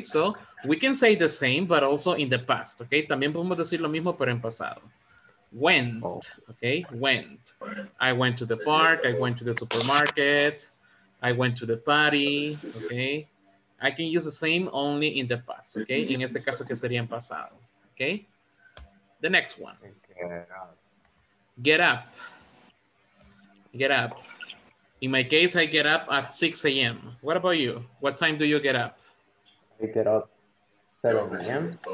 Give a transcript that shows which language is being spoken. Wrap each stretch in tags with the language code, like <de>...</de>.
<en>So we can say the same, but also in the past. Okay.</en> <es>También podemos decir lo mismo, pero en pasado.</es> <en>Went. Okay. Went. I went to the park. I went to the supermarket. I went to the party, okay? I can use the same only in the past, okay?</en> <es>In este caso, que sería en pasado, okay?</es> <en>The next one. Get up. Get up. In my case, I get up at 6 a.m. What about you? What time do you get up? I get up 7 a.m.</en>